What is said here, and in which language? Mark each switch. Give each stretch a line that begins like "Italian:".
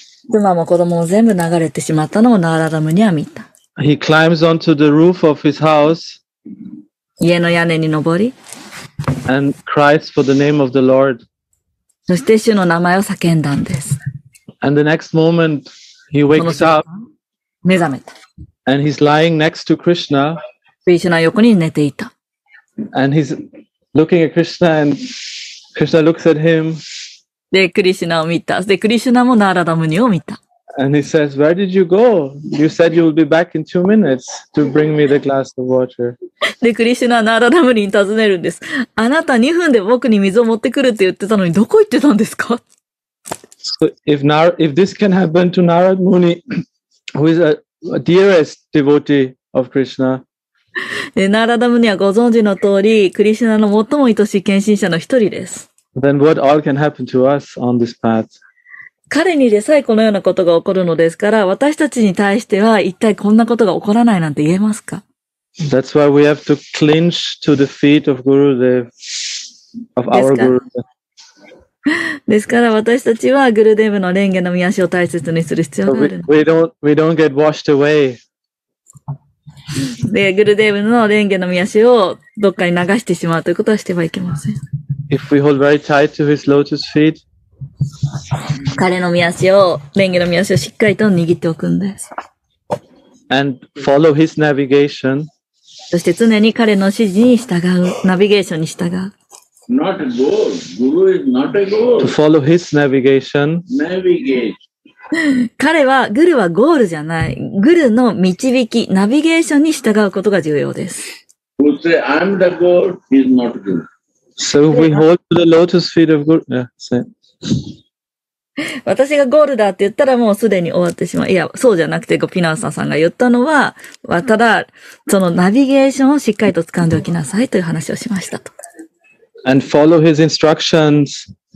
Japanese: 妻も子供も全部流れてしまったのをナーラダムには見た。
English: He climbs onto the roof of his house.
Japanese: 家の屋根に登り。
English: And cries for the name of the Lord.
Japanese: そして主の名前を叫んだんです。
English: And the next moment he wakes up.
Japanese: 目覚めた。
English: And he's lying next to Krishna.
Japanese: クリシュナ横に寝ていた。
English: And he's looking at Krishna and Krishna looks at him.
Japanese: で、クリシュナを見た。で、クリシュナもナーラダムニを見た。
English: And he says, where did you go? You said you will be back in 2 minutes to bring me the glass of water.
Japanese: で、クリシュナはナーラダムリに尋ねるんです。あなた2分で僕に水を持ってくるって言ってたのに、どこ行ってたんですか？
English: So if this can happen to Narad Muni, who is a dearest devotee of Krishna.
Japanese: で、ナーラダムリはご存知の通り、クリシュナの最も愛しい献身者の一人です。
English: Then what all can happen to us on this path?
Japanese: 彼にでさえこのようなことが起こるのですから、私たちに対しては一体こんなことが起こらないなんて言えますか？
English: That's why we have to clinch to the feet of Gurudev, of our Gurudev.
Japanese: ですから私たちはグルデーブの蓮華の御足を大切にする必要がある。
English: We don't get washed away.
Japanese: で、グルデーブの蓮華の御足をどっかに流してしまうということはしてはいけません。
English: If we hold very tight to his lotus feet,
Japanese: 彼の御足を、蓮華の御足をしっかりと握っておくんです。
English: And follow his navigation.
Japanese: そして常に彼の指示に従う、ナビゲーションに従う。
English: Not a goal. Guru is not a goal. To follow his navigation. Navigate.
Japanese: 彼は、グルはゴールじゃない。グルの導き、ナビゲーションに従うことが重要です。
English: Who say, I'm the goal, he's not a goal. So if we hold to the lotus feet of Guru, yeah, say.
Japanese: 私がゴールだって言ったらもうすでに終わってしまう。いや、そうじゃなくて、ピナーサさんが言ったのは、ただ、そのナビゲーションをしっかりと掴んでおきなさいという話をしましたと。
English: And follow his instructions.